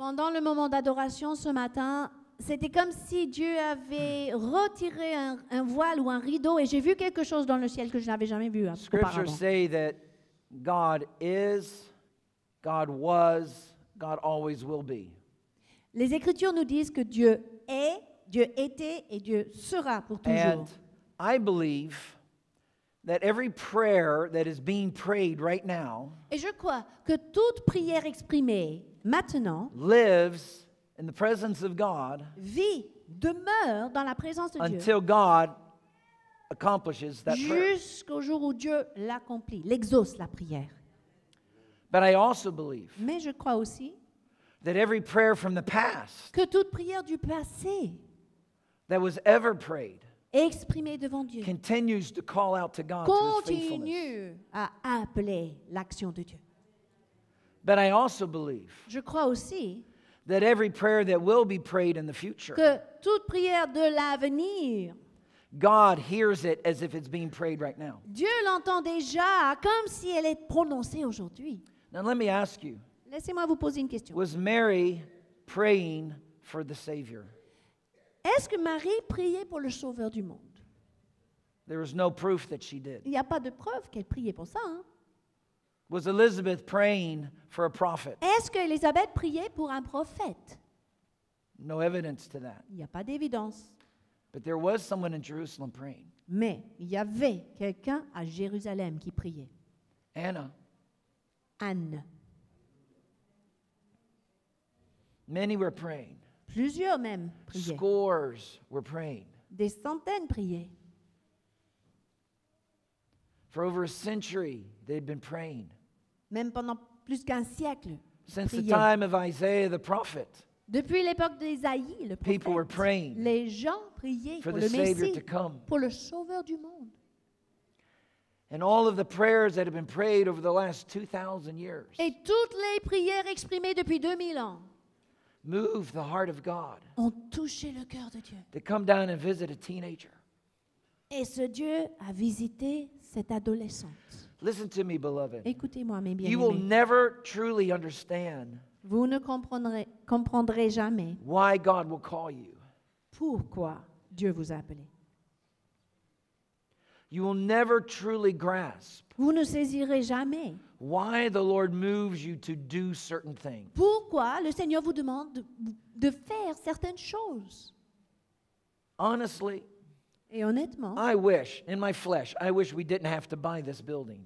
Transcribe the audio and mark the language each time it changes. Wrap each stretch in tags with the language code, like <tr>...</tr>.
<fr>Pendant le moment d'adoration ce matin, c'était comme si Dieu avait retiré un voile ou un rideau, et j'ai vu quelque chose dans le ciel que je n'avais jamais vu auparavant.</fr> <en>Scriptures say that God is, God was, God always will be.</en> <fr>Les Écritures nous disent que Dieu est, Dieu était et Dieu sera pour toujours.</fr> <en>And I believe that every prayer that is being prayed right now,</en> <fr>et je crois que toute prière exprimée maintenant,</fr> <en>lives in the presence of God,</en> <fr>vit, demeure dans la présence de Dieu,</fr> <en>until God accomplishes that prayer.</en> <fr>Jusqu'au jour où Dieu l'accomplit, l'exauce la prière.</fr> <en>But I also believe,</en> <fr>mais je crois aussi,</fr> <en>that every prayer from the past,</en> <fr>que toute prière du passé,</fr> <en>that was ever prayed,</en> <fr>exprimé devant Dieu,</fr> <en>continues to call out to God,</en> <fr>continue</fr> <en>to his</en> <fr>à appeler l'action de Dieu.</fr> <en>But I also believe,</en> <fr>je crois aussi,</fr> <en>that every prayer that will be prayed in the future,</en> <fr>que toute prière de l'avenir,</fr> <en>God hears it as if it's being prayed right now.</en> <fr>Dieu l'entend déjà comme si elle est prononcée aujourd'hui.</fr> <en>Now let me ask you,</en> <fr>laissez-moi vous poser une question.</fr> <en>Was Mary praying for the Savior?</en> <fr>Est-ce que Marie priait pour le Sauveur du monde?</fr> <en>There is no proof that she did.</en> <fr>Il n'y a pas de preuve qu'elle priait pour ça. Hein?</fr> <en>Was Elizabeth praying for a prophet?</en> <fr>Est-ce que Élisabeth priait pour un prophète?</fr> <en>No evidence to that.</en> <fr>Il n'y a pas d'évidence.</fr> <en>But there was someone in Jerusalem praying.</en> <fr>Mais il y avait quelqu'un à Jérusalem qui priait.</fr> <en>Anna.</en> <fr>Anne.</fr> <en>Many were praying.</en> <fr>Plusieurs même priaient.</fr> <en>Scores were praying.</en> <fr>Des centaines priaient.</fr> <en>For over a century, they'd been praying.</en> <fr>Même pendant plus qu'un siècle,</fr> <en>since the time of Isaiah the prophet.</en> <fr>Depuis l'époque d'Isaïe, le prophète.</fr> <en>People were praying.</en> <fr>Les gens priaient</fr> <en>for</en> <fr>pour</fr> <en>the</en> <fr>le Messie,</fr> <en>Savior to come.</en> <fr>Pour le Sauveur du monde.</fr> <en>And all of the prayers that have been prayed over the last 2,000 years.</en> <fr>Et toutes les prières exprimées depuis 2000 ans.</fr> <en>Move the heart of God.</en> <fr>Ont touché le cœur de Dieu.</fr> <en>To come down and visit a teenager.</en> <fr>Et ce Dieu a visité cette adolescente.</fr> <en>Listen to me, beloved.</en> <fr>Écoutez-moi, mes bien-aimés.</fr> <en>You will never truly understand.</en> <fr>Vous ne comprendrez jamais.</fr> <en>Why God will call you.</en> <fr>Pourquoi Dieu vous a appelé.</fr> <en>You will never truly grasp.</en> <fr>Vous ne saisirez jamais.</fr> <en>Why the Lord moves you to do certain things.</en> <fr>Pourquoi le Seigneur vous demande de faire certaines choses.</fr> <en>Honestly,</en> <fr>et honnêtement,</fr> <en>I wish, in my flesh, I wish we didn't have to buy this building.</en>